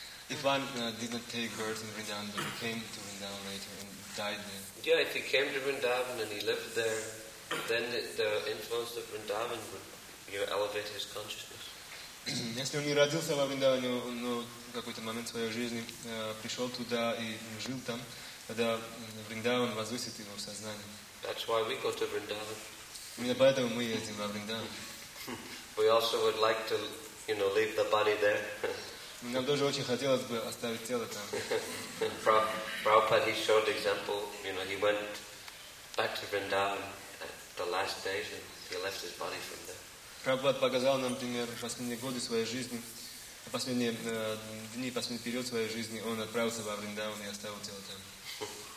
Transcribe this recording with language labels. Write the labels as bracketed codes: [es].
[en] If one did not take birth in Vrindavan, but he came to Vrindavan later and died there. Yeah, if he came to Vrindavan and he lived there, then the influence of Vrindavan would, you know, elevate his consciousness. [ru] Если он не родился во Вриндаване, но в какой-то момент в своей жизни пришел туда и жил там, тогда Вриндаван возвысит его в сознании. [en] That's why we go to Vrindavan. [ru] Именно поэтому мы ездим во Вриндаван. [en] We also would like to, you know, leave the body there. [ru] Нам тоже очень хотелось бы оставить тело там. [en] Prabhupada, he showed example, you know, he went back to Vrindavan at the last days and he left his body from there. [ru] Prabhupada показал нам пример, в последние годы своей жизни, последние дни, последний период своей жизни, он отправился во Вриндаван и оставил тело там.